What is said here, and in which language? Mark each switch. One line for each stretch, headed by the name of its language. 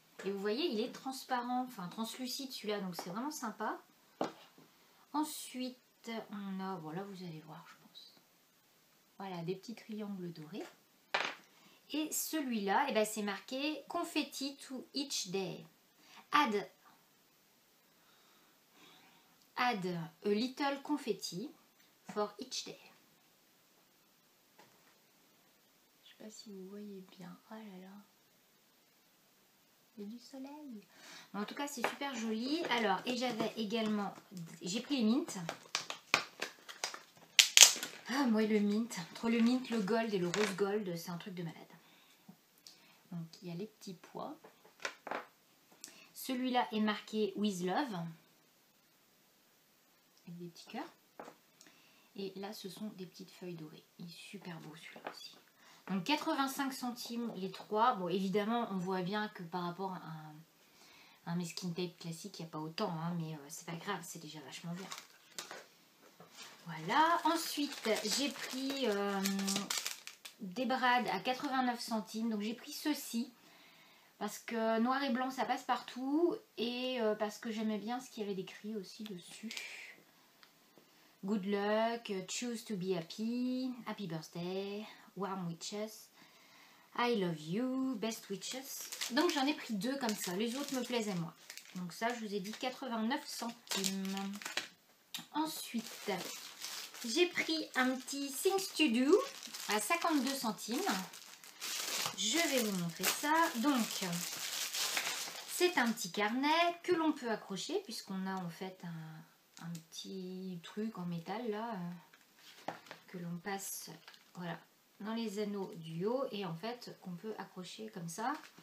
French: Et vous voyez, il est transparent. Enfin, translucide celui-là. Donc, c'est vraiment sympa. Ensuite, on a, voilà, vous allez voir, je pense. Voilà, des petits triangles dorés. Et celui-là, et ben c'est marqué
English: confetti to each day. Add a little confetti for each day.
French: Je sais pas si vous voyez bien. Oh là là. Il y a du soleil. Bon, en tout cas, c'est super joli. Alors, et j'avais également. J'ai pris les mintes. Ah, moi, le mint. Entre le mint, le gold et le rose gold, c'est un truc de malade. Donc, il y a les petits pois. Celui-là est marqué With Love. Avec des petits cœurs. Et là, ce sont des petites feuilles dorées. Il est super beau, celui-là aussi. Donc, 85 centimes, les trois. Bon, évidemment, on voit bien que par rapport à un masking tape classique, il n'y a pas autant. Hein, mais c'est pas grave, c'est déjà vachement bien. Voilà, ensuite j'ai pris des brades à 89 centimes, donc j'ai pris ceci, parce que noir et blanc ça passe partout, et parce que j'aimais bien ce qu'il y avait d'écrit aussi dessus.
English: Good luck, choose to be happy, happy birthday, warm wishes, I love you, best wishes.
French: Donc j'en ai pris deux comme ça, les autres me plaisaient moins. Donc ça je vous ai dit 89 centimes. Ensuite... J'ai pris un petit Things to Do à 52 centimes. Je vais vous montrer ça. Donc, c'est un petit carnet que l'on peut accrocher puisqu'on a en fait un petit truc en métal là que l'on passe voilà, dans les anneaux du haut et en fait qu'on peut accrocher comme ça.